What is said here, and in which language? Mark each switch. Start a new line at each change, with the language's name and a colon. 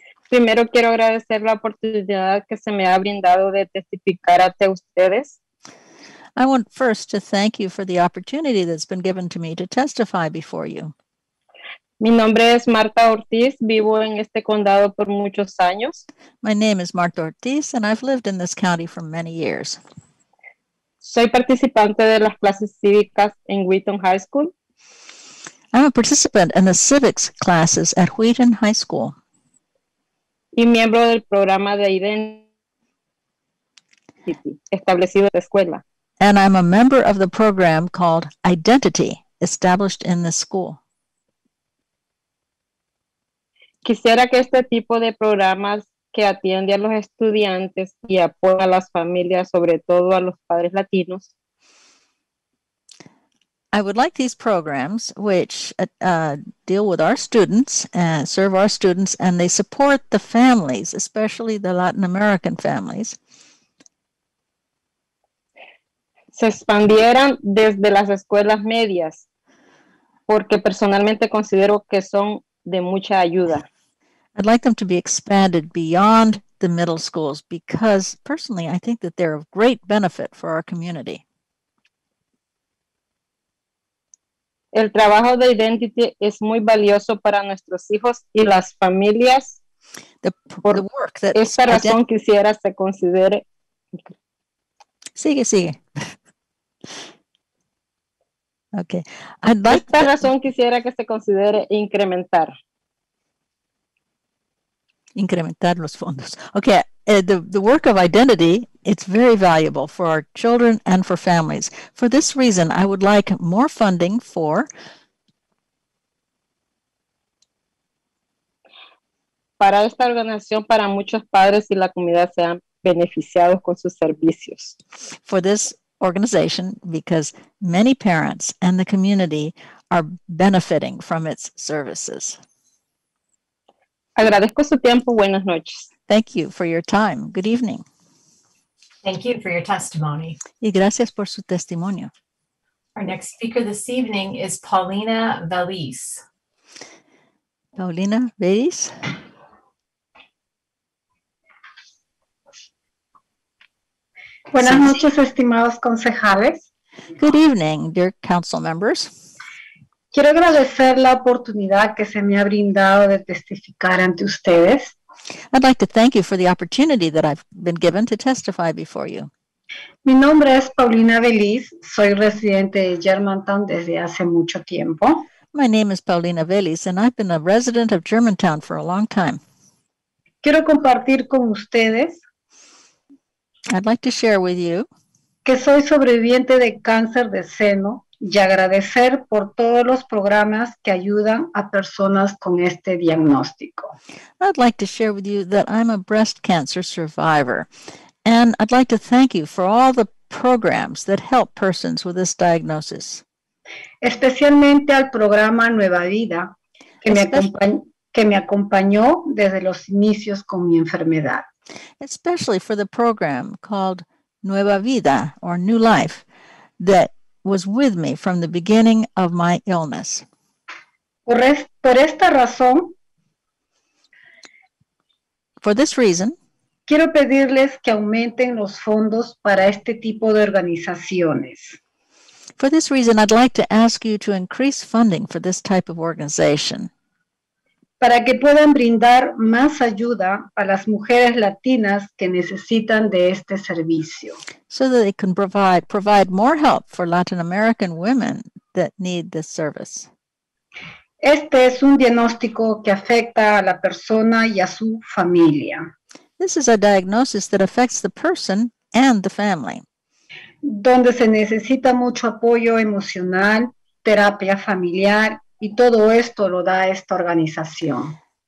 Spanish: Primero quiero agradecer la oportunidad que se me ha brindado de testificar ante ustedes.
English: I want first to thank you for the opportunity that's been given to me to testify before you.
Spanish: Mi nombre es Martha Ortiz, vivo en este condado por muchos años.
English: My name is Martha Ortiz and I've lived in this county for many years.
Spanish: Soy participante de las clases cívicas en Wheaton High School.
English: I'm a participant in the civics classes at Wheaton High School.
Spanish: Y miembro del programa de identidad establecido en la escuela.
English: And I'm a member of the program called Identity, established in the school.
Spanish: Quisiera que este tipo de programas que atiende a los estudiantes y apoya a las familias, sobre todo a los padres latinos.
English: I would like these programs, which deal with our students, serve our students, and they support the families, especially the Latin American families.
Spanish: Se expandieran desde las escuelas medias, porque personalmente considero que son de mucha ayuda.
English: I'd like them to be expanded beyond the middle schools because personally I think that they're of great benefit for our community.
Spanish: El trabajo de Identity es muy valioso para nuestros hijos y las familias.
English: The work that
Spanish: esta razón quisiera se considere. Sigue.
English: Okay. I'd like
Spanish: esta razón quisiera que se considere incrementar. Incrementar los fondos.
English: Okay, the work of Identity, it's very valuable for our children and for families. For this reason, I would like more funding for
Spanish: para esta organización, para muchos padres y la comunidad se han beneficiado con sus servicios.
English: For this organization, because many parents and the community are benefiting from its services.
Spanish: Agradezco su tiempo. Buenas noches.
English: Thank you for your time. Good evening. Thank you for your testimony.
Spanish: Y gracias por su testimonio.
English: Our next speaker this evening is Paulina Veliz. Paulina Veliz.
Spanish: Buenas noches, estimados concejales.
English: Good evening, dear council members.
Spanish: Quiero agradecer la oportunidad que se me ha brindado de testificar ante ustedes.
English: I'd like to thank you for the opportunity that I've been given to testify before you.
Spanish: Mi nombre es Paulina Veliz. Soy residente de Germantown desde hace mucho tiempo.
English: My name is Paulina Veliz, and I've been a resident of Germantown for a long time.
Spanish: Quiero compartir con ustedes.
English: I'd like to share with you.
Spanish: Que soy sobreviviente de cáncer de seno y agradecer por todos los programas que ayudan a personas con este diagnóstico.
English: I'd like to share with you that I'm a breast cancer survivor, and I'd like to thank you for all the programs that help persons with this diagnosis.
Spanish: Especialmente al programa Nueva Vida, que me acompañó desde los inicios con mi enfermedad.
English: Especially for the program called Nueva Vida, or New Life, that was with me from the beginning of my illness.
Spanish: Por esta razón,
English: for this reason,
Spanish: quiero pedirles que aumenten los fondos para este tipo de organizaciones.
English: For this reason, I'd like to ask you to increase funding for this type of organization.
Spanish: Para que puedan brindar más ayuda a las mujeres latinas que necesitan de este servicio.
English: So that they can provide more help for Latin American women that need this service.
Spanish: Este es un diagnóstico que afecta a la persona y a su familia.
English: This is a diagnosis that affects the person and the family.
Spanish: Donde se necesita mucho apoyo emocional, terapia familiar, y todo esto lo da esta organización.